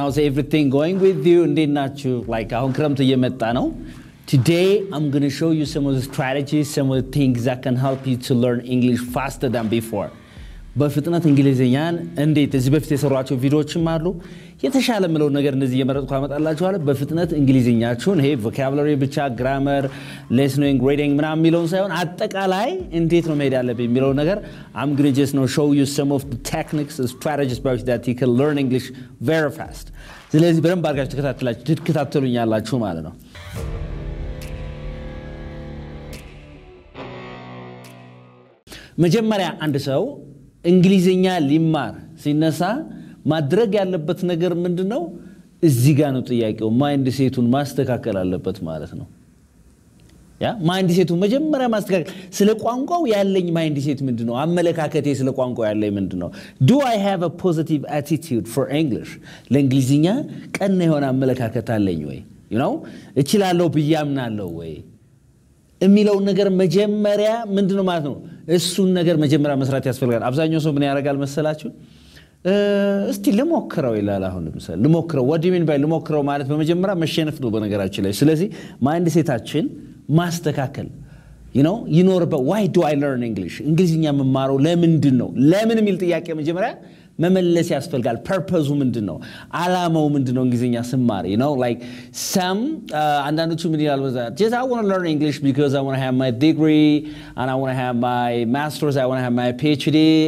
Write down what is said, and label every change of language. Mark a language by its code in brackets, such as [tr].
[en] How's everything going with you? [am] እንዴት ናችሁ? [en] Like [am] አሁን ክረምት እየመጣ ነው። [en] Today I'm going to show you some of the strategies, some of the things that can help you to learn English faster than before. [am] በፍጥነት እንግሊዝኛን እንዴት እዚህ በፊት የሰራቸው ቪዲዮዎችም አሉ። የተሻለ ምለው ነገር እንደዚህ የመረጥኩ አመጣላችኋለሁ። በፍጥነት እንግሊዝኛችሁን ሄ ቮካቡላሪ ብቻ [en] grammar, listening, reading [am] ምናምን ሚለውን ሳይሆን አጠቃላይ እንዴት ነው መሄድ ያለብኝ ሚለው ነገር [en] I'm going to just now show you some of the techniques and strategies about that you can learn English very fast. [am] ስለዚህ በደንብ አድርጋችሁ ትከታተሉኛላችሁ ማለት ነው። መጀመሪያ አንድ ሰው እንግሊዝኛ ሊማር ሲነሳ ማድረግ ያለበት ነገር ምንድነው? እዚህ ጋር ነው ጥያቄው ማይንድ ሴቱን ማስተካከል አለበት ማለት ነው። ያ ማይንድ ሴቱን መጀመሪያ ማስተካከል ስለ ቋንቋው ያለኝ ማይንድ ሴት ምንድነው? አመለካከቴ ስለ ቋንቋው ያለኝ ምንድነው? [en] Do I have a positive attitude for English? [am] ለእንግሊዝኛ ቀና የሆነ አመለካከት አለኝ ወይ? [en] You know? [am] እችላለሁ ብያምናለሁ ወይ? እሚለው ነገር መጀመሪያ ምንድነው ማለት ነው? እሱን ነገር መጀመሪያ መስራት ያስፈልጋል። አብዛኛው ሰው ምን ያረጋል መሰላችሁ? እስቲ ልሞክረው ይላል አሁን ለምሳሌ ልሞክረው [en] what do you mean by [am] ልሞክረው ማለት በመጀመሪያ መሸነፍ ነው በነገራችን ላይ ስለዚህ ማይንድ ሴታችን ማስተካከል [en] you know you know but why do I learn english [am] እንግሊዝኛ መማረው ለምንድነው ለምን ሚል ጥያቄ መጀመሪያ መመለስ ያስፈልጋል [en] purpose [am] ምንድነው አላማው ምንድነው እንግሊዝኛ ስማር [en] you know like some [am] አንዳንዶቹ ምን ይላሉ ማለት [en] just I want to learn english because I want to have my degree and I want to have my masters I want to have my phd